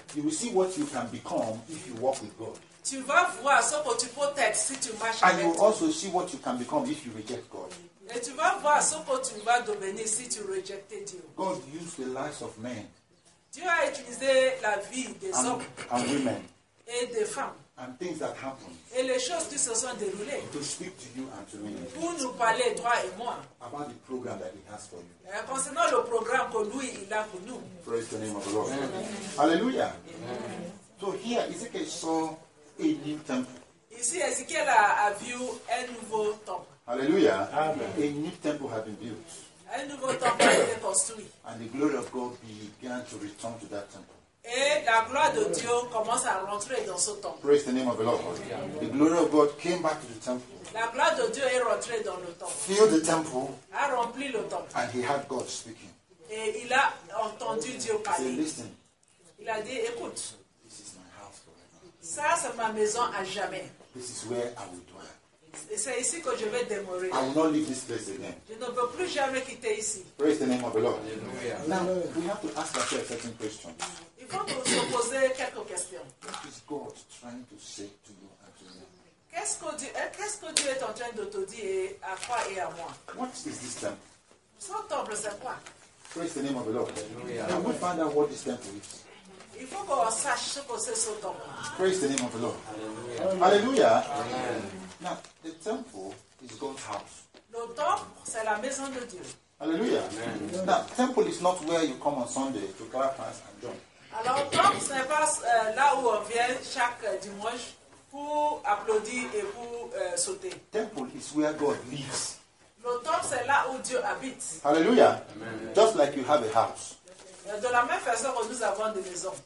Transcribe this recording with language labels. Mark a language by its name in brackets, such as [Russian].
[English] You will see what you can become if you walk with God. [French] Tu vas voir ce que tu peux être si tu marches [English] and [French] avec [English] you will also see what you can become if you reject God. [French] Et tu vas voir ce que tu vas devenir si tu rejectes Dieu. [English] God used the lives of men. [French] Dieu a utilisé la vie des hommes [English] and women [French] et des femmes [English] and things that happened [French] et les choses qui se sont déroulées [English] to speak to you and to me [French] pour nous parler, toi et moi [English] about the program that he has for you. [French] Concernant le programme que lui il a pour nous. [English] Praise the name of the Lord. Hallelujah. So here, is it a song? [French] Ici, Ezekiel a vu un nouveau temple. [English] Hallelujah. Amen. A new temple had been built. [French] Un nouveau temple a été construit. [English] And the glory of God began to return to that temple. [French] Et la gloire de Dieu commence à rentrer dans ce temple. [English] Praise the name of the Lord. Amen. The glory of God came back to the temple. [French] La gloire de Dieu est rentrée dans le temple. [English] Filled the temple. [French] A rempli le temple. [English] And he heard God speaking. [French] Et il a entendu Dieu parler. [English] He said, listen. [French] Il a dit, écoute. Ça, c'est ma maison à jamais. [English] This is where I will dwell. [French] C'est ici que je vais demeurer. [English] I will not leave this place again. [French] Je ne veux plus jamais quitter ici. [English] Praise the name of the Lord. Hallelujah. Now, we have to ask ourselves certain questions. [French] Il faut nous poser quelques questions. [English] What is God trying to say to you and to me? [French] Qu'est-ce que Dieu est en train de te dire à toi et à moi? [English] What is this temple? [French] Ce temple, c'est quoi? [English] Praise the name of the Lord. Hallelujah. Now, we find out what this temple is. [French] Il faut qu'on sache ce que c'est ce temple. [English] Praise the name of the Lord. [French] Alléluia. Alléluia. [English] Amen. Now, the temple is God's house. [French] Le temple, c'est la maison de Dieu. Alléluia. [English] Amen. Now, temple is not where you come on Sunday to clap hands and jump. [French] Alors, temple, ce n'est pas là où on vient chaque dimanche pour applaudir et pour sauter. [English] Temple is where God lives. [French] Le temple, c'est là où Dieu habite. Alléluia. [English] Amen. Just like you have a house. [French] De la même façon que nous avons des maisons.